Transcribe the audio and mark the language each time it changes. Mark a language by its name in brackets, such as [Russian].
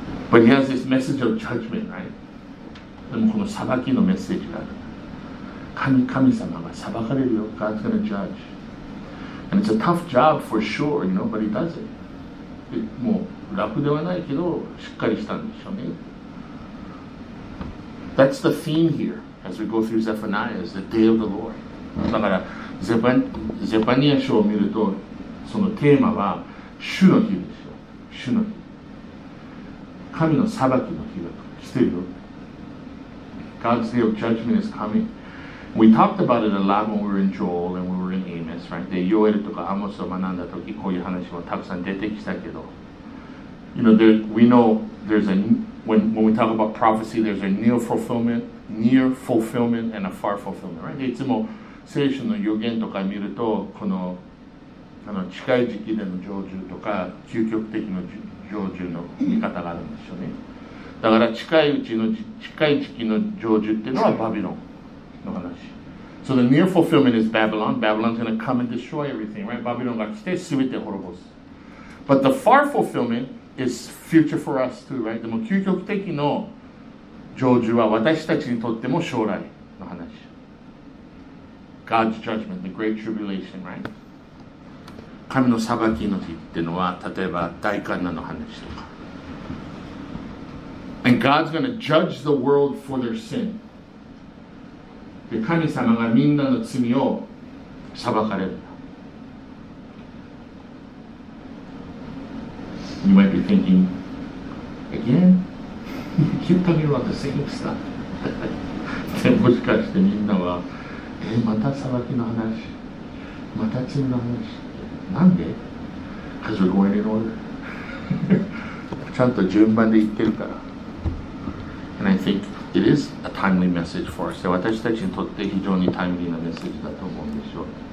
[English] But he has this message of judgment, right? [Japanese] でもこの裁きのメッセージがある。神様が裁かれるよ。 [English] God's gonna judge. And it's a tough job for sure, you know, but he does it. [Japanese] もう楽ではないけど、しっかりしたんでしょうね。 [English] That's the theme here, as we go through Zephaniah, is the day of the Lord. [Japanese] だから、ゼパニア書を見ると、そのテーマは、主の日ですよ。主の日。神の裁きの日だと。来てるよ。 [English] God's day of judgment is coming. We talked about it a lot when we were in Joel and when we were in Amos, right? [Japanese] で、ヨエルとかアモスを学んだとき、こういう話もたくさん出てきたけど、 [English] you know, we know there's a when we talk about prophecy, there's a near fulfillment and a far fulfillment, right? [Japanese] で、いつも聖書の予言とか見ると、この近い時期での成就とか究極的な成就の見方があるんですよね。だから近い時期の成就っていうのはバビロン。 [English] So the near fulfillment is Babylon. Babylon's going to come and destroy everything, right? [Japanese] Babylon が来て全て滅ぼす。 [English] But the far fulfillment is future for us too, right? [Japanese] でも究極的の成就は私たちにとっても将来の話。 [English] God's judgment, the great tribulation, right? [Japanese] 神の裁きの日っていうのは、例えば大患難の話とか。 [English] And God's going to judge the world for their sin. [Japanese] で神様がみんなの罪を裁かれる。 [English] You might be thinking, again? [Japanese] 言ったけど、 [English] the same stuff. [Japanese] もしかしてみんなは、また裁きの話、また罪の話。なんで [English] Because we're going in order. [Japanese] ちゃんと順番で言ってるから。 [English] And I think,It is a timely message for us. [Japanese] 私たちにとって非常にタイムリーなメッセージだと思うんでしょう。